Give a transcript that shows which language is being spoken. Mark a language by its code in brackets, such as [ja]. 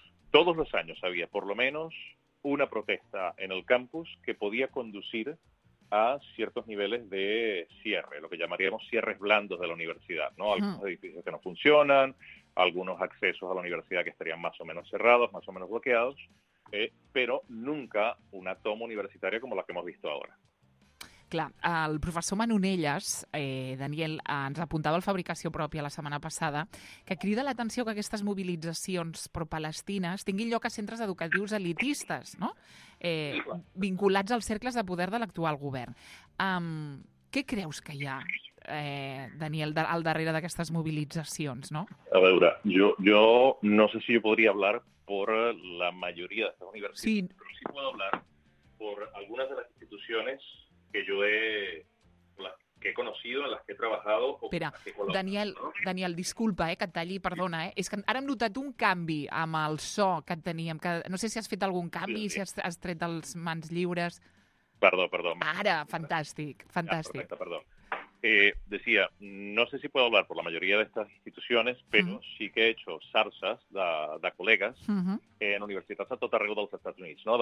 [es] Todos los años había por lo menos una protesta en el campus que podía conducir a ciertos niveles de cierre, lo que llamaríamos cierres blandos de la universidad, ¿no? Algunos edificios que no funcionan, algunos accesos a la universidad que estarían más o menos cerrados, más o menos bloqueados, pero nunca una toma universitaria como la que hemos visto ahora. [ca] Clar, el professor Manonelles, Daniel, ens apuntava al Fabricació Pròpia la setmana passada, que crida l'atenció que aquestes mobilitzacions pro-palestines tinguin lloc a centres educatius elitistes, no? Vinculats als cercles de poder de l'actual govern. Què creus que hi ha, Daniel, al darrere d'aquestes mobilitzacions, no? A veure, jo no sé si jo podria [es] hablar por la mayoría de estas universidades, sí. Pero sí puedo hablar por algunas de las instituciones que yo he... que he conocido, [ca] en les que he treballat... Espera, Daniel, no? Daniel, disculpa, que et talli, perdona. És que ara hem notat un canvi amb el so que teníem. Que no sé si has fet algun canvi, sí. Si has tret els mans lliures. Perdó. Ara, fantàstic, fantàstic. Ah, perfecte, perdó. [es] Decía, no sé si puedo hablar por la mayoría de estas instituciones, pero uh-huh. sí que he hecho zarzas de colegas uh-huh. [ca] en universitats a tot arreu dels Estats Units, no?